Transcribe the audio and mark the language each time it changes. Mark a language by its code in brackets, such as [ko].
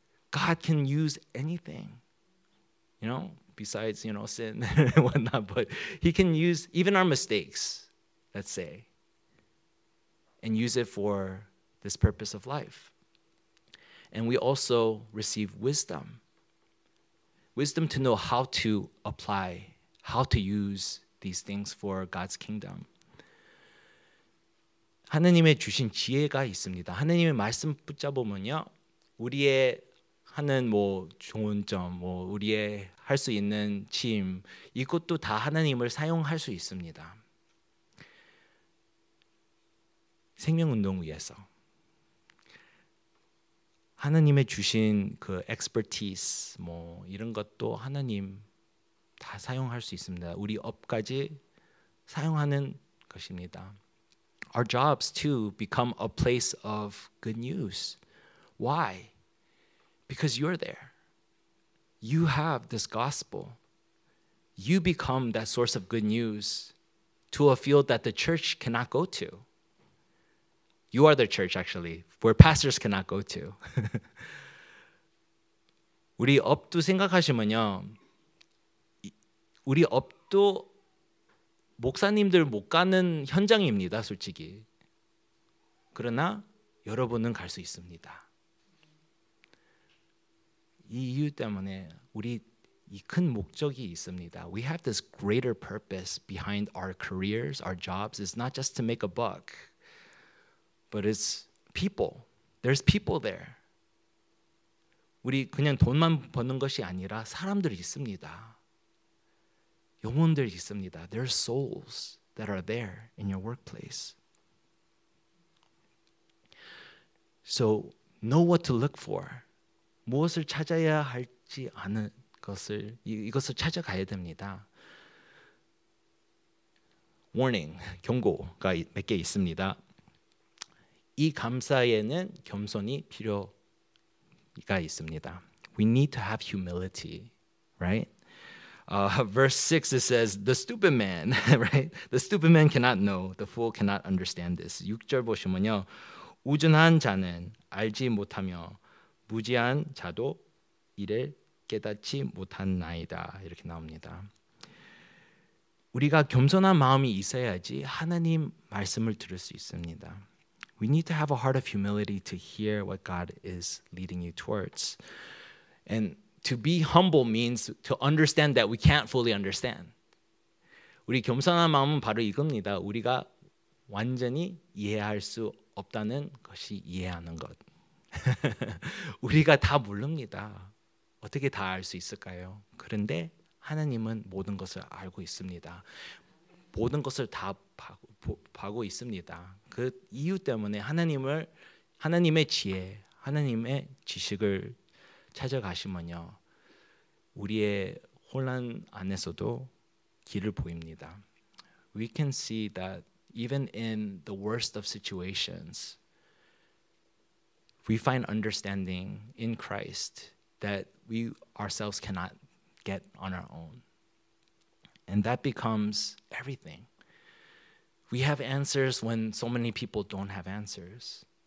[en] God can use anything, you know, besides, you know, sin and whatnot, but he can use even our mistakes, let's say, and use it for this purpose of life. And we also receive wisdom. Wisdom to know how to apply, how to use these things for God's kingdom. [ko] 하나님의 주신 지혜가 있습니다. 하나님의 말씀 붙잡으면요, 우리의 하는 뭐 좋은 점, 뭐 우리의 할 수 있는 짐, 이것도 다 하나님을 사용할 수 있습니다. 생명운동을 위해서. 하나님의 주신 그 expertise, 뭐 이런 것도 하나님 다 사용할 수 있습니다. 우리 업까지 사용하는 것입니다. [en] Our jobs too become a place of good news. Why? Because you're there. You have this gospel. You become that source of good news to a field that the church cannot go to. You are the church, actually, where pastors cannot go to. [ko] 우리 업도 생각하시면요, 우리 업도 목사님들 못 가는 현장입니다, 솔직히. 그러나 여러분은 갈 수 있습니다. 이 이유 때문에 우리 이 큰 목적이 있습니다. [en] We have this greater purpose behind our careers, our jobs. It's not just to make a buck, but it's people. There's people there. [ko] 우리 그냥 돈만 버는 것이 아니라 사람들이 있습니다. 영혼들 있습니다. [en] There are souls that are there in your workplace. So know what to look for. [ko] 무엇을 찾아야 할지 아는 것을 이것을 찾아가야 됩니다. Warning, 경고가 몇 개 있습니다. 이 감사에는 겸손이 필요가 있습니다. [en] We need to have humility, right? Verse 6, it says, the stupid man, right? The stupid man cannot know. The fool cannot understand this. [ko] 6절 보시면요. 우준한 자는 알지 못하며 무지한 자도 이를 깨닫지 못한 나이다. 이렇게 나옵니다. 우리가 겸손한 마음이 있어야지 하나님 말씀을 들을 수 있습니다. [en] We need to have a heart of humility to hear what God is leading you towards. And to be humble means to understand that we can't fully understand. [ko] 우리 겸손한 마음은 바로 이겁니다. 우리가 완전히 이해할 수 없다는 것이 이해하는 것. 우리가 다 모릅니다. 어떻게 다 알 수 있을까요? 그런데 하나님은 모든 것을 알고 있습니다. 모든 것을 다 보고 있습니다. 그 이유 때문에 하나님의 지혜, 하나님의 지식을 찾아가시면요, 우리의 혼란 안에서도 길을 보입니다. [en] We can see that even in the worst of situations, we find understanding in Christ that we ourselves cannot get on our own. And that becomes everything. We have answers when so many people don't have answers.